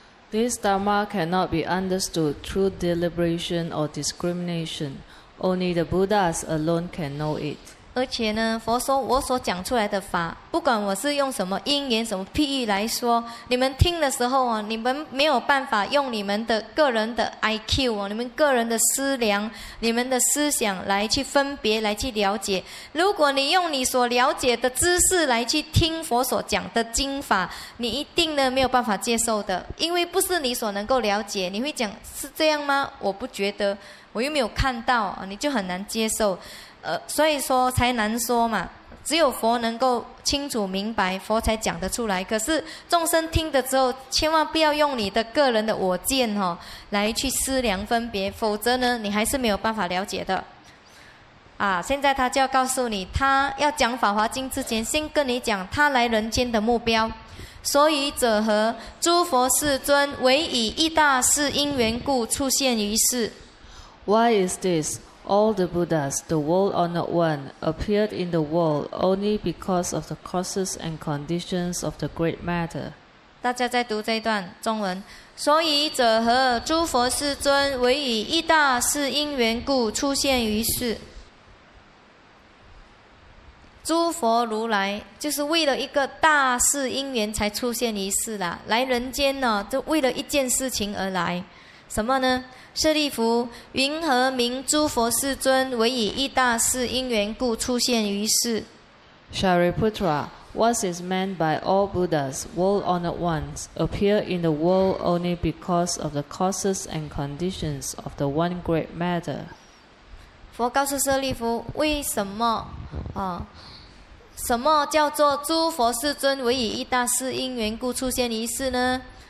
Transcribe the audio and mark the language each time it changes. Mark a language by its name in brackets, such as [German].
[English] This Dharma cannot be understood through deliberation or discrimination. Only the Buddhas alone can know it. [Chinese] 而且呢，佛说我所讲出来的法，不管我是用什么因缘、什么譬喻来说，你们听的时候啊，你们没有办法用你们的个人的 IQ 啊，你们个人的思量、你们的思想来去分别、来去了解。如果你用你所了解的知识来去听佛所讲的经法，你一定呢没有办法接受的，因为不是你所能够了解。你会讲是这样吗？我不觉得，我又没有看到，你就很难接受。所以说才难说嘛，只有佛能够清楚明白，佛才讲得出来。可是众生听的时候，千万不要用你的个人的我见、哦、来去思量分别，否则呢你还是没有办法了解的啊。现在他就要告诉你，他要讲法华经之前先跟你讲他来人间的目标。所以者何？诸佛世尊，唯以一大事因缘故出现于世。 [English] Why is this? All the Buddhas, the world-honored one, appeared in the world only because of the causes and conditions of the great matter. [Chinese] 大家在读这一段中文。所以者何？诸佛世尊，唯以一大事因缘故出现于世。诸佛如来就是为了一个大事因缘才出现于世啦，来人间呢，就为了一件事情而来。什么呢？舍利弗，云何名诸佛世尊唯以一大事因缘故出现于世？ [English] Shariputra, what is meant by all Buddhas, world-honored ones, appear in the world only because of the causes and conditions of the one great matter? [Chinese] 佛告诉舍利弗，为什么、啊、什么叫做诸佛世尊唯以一大事因缘故出现于世呢？